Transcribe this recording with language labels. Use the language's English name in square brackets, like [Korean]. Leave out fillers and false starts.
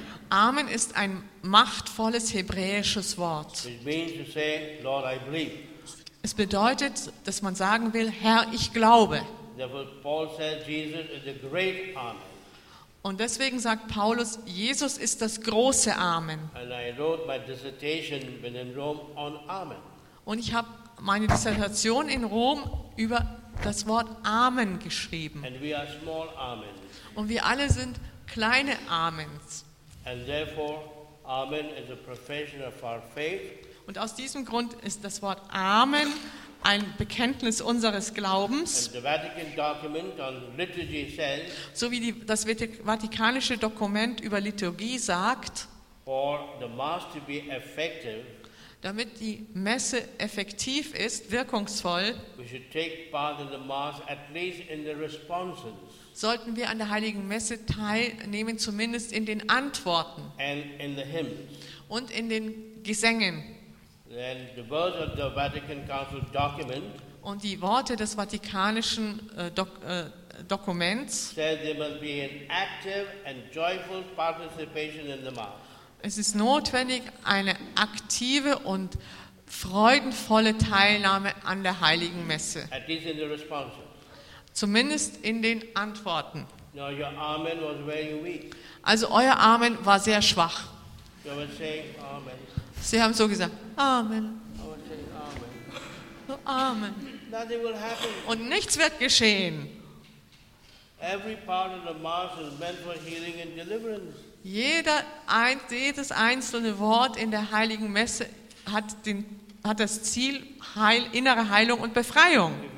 [German] Amen ist ein machtvolles hebräisches Wort. [English] It means to say, Lord, I believe. [German] Es bedeutet, dass man sagen will, Herr, ich glaube. [English] Paul said, Jesus is a great Amen. [German] Und deswegen sagt Paulus, Jesus ist das große Amen. [English] And I wrote my dissertation in Rome on Amen. [German] Und ich habe meine Dissertation in Rom über das Wort Amen geschrieben. [English] And we are small Amens. [German] Und wir alle sind kleine Amens. [English] And therefore, Amen is a profession of our faith. [German] Und aus diesem Grund ist das Wort Amen ein Bekenntnis unseres Glaubens. [English] And the Vatican document on liturgy says, [German] so wie das vatikanische Dokument über Liturgie sagt, [English] for the mass to be effective, [German] damit die Messe effektiv ist, wirkungsvoll, [English] we should take part in the mass, at least in the responses. [German] Sollten wir an der Heiligen Messe teilnehmen, zumindest in den Antworten [English] and in the hymns. [German] Und in den Gesängen. [English] Then the words of the Vatican Council document, [German] und die Worte des vatikanischen Dokuments, [English] said there must be an active and joyful participation in the mass. [German] Es ist notwendig, eine aktive und freudenvolle Teilnahme an der Heiligen Messe. [English] At least in the responses. [German] Zumindest in den Antworten. [English] Now your Amen was very weak. [German] Also euer Amen war sehr schwach. [English] You were saying Amen. [German] Sie haben so gesagt, Amen. [English] I Amen. [German] Amen. [English] Will happen. [German] Und nichts wird geschehen. [English] Every part of the mass is meant for healing and deliverance. [German] Jedes einzelne Wort in der Heiligen Messe hat das Ziel, innere Heilung und Befreiung.